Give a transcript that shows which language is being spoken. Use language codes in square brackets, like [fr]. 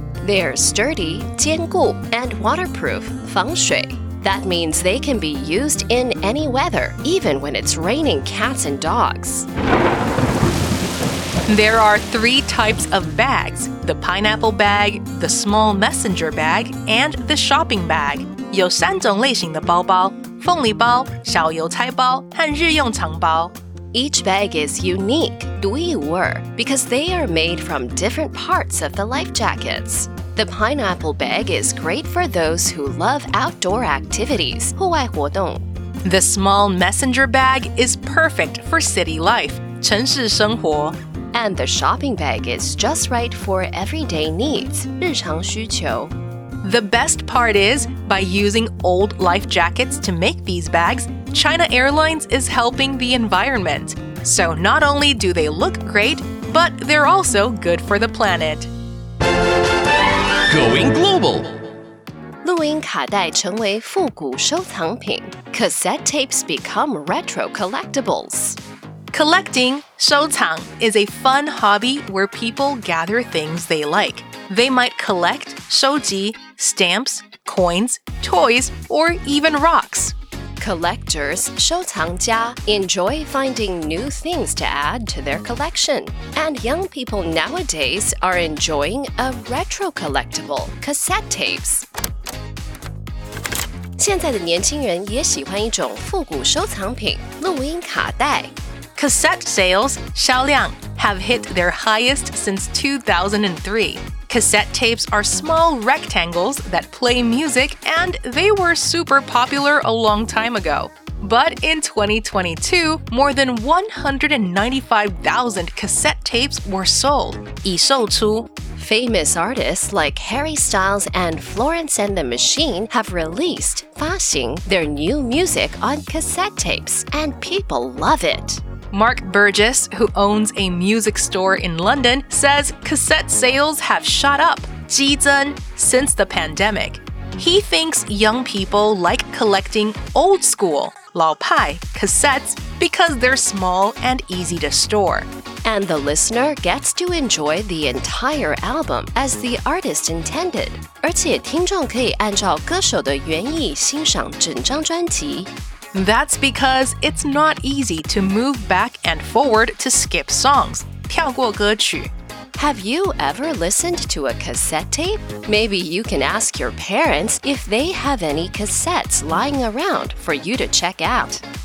[en] They're sturdy, 坚固, and waterproof, 防水. That means they can be used in any weather, even when it's raining cats and dogs. There are three types of bags, the pineapple bag, the small messenger bag, and the shopping bag. [zh] 有三种类型的包包,凤梨包,小邮差包和日用长包。 [en] Each bag is unique, 独一无二, because they are made from different parts of the life jackets. The pineapple bag is great for those who love outdoor activities, 户外活动。 The small messenger bag is perfect for city life, 城市生活。 And the shopping bag is just right for everyday needs, 日常需求。 The best part is, by using old life jackets to make these bags, China Airlines is helping the environment. So not only do they look great, but they're also good for the planet. Going global! [zh] 錄音卡帶成為復古收藏品。 [en] Cassette tapes become retro collectibles. Collecting, 收藏, is a fun hobby where people gather things they like. They might collect, 收集, stamps, coins, toys, or even rocks. Collectors, 收藏家, enjoy finding new things to add to their collection. And young people nowadays are enjoying a retro collectible, cassette tapes. [zh] 现在的年轻人也喜欢一种复古收藏品,录音卡带。 [en] Cassette sales, 销量, have hit their highest since 2003. Cassette tapes are small rectangles that play music and they were super popular a long time ago. But in 2022, more than 195,000 cassette tapes were sold. [zh] 已售出。 [en] Famous artists like Harry Styles and Florence and the Machine have released, 发行, their new music on cassette tapes and people love it. Mark Burgess, who owns a music store in London, says cassette sales have shot up, 激增, since the pandemic. He thinks young people like collecting old school, 老派, cassettes because they're small and easy to store. And the listener gets to enjoy the entire album as the artist intended. [zh] 而且听众可以按照歌手的原意欣赏整张专辑。 [en] That's because it's not easy to move back and forward to skip songs, 跳过歌曲。 Have you ever listened to a cassette tape? Maybe you can ask your parents if they have any cassettes lying around for you to check out.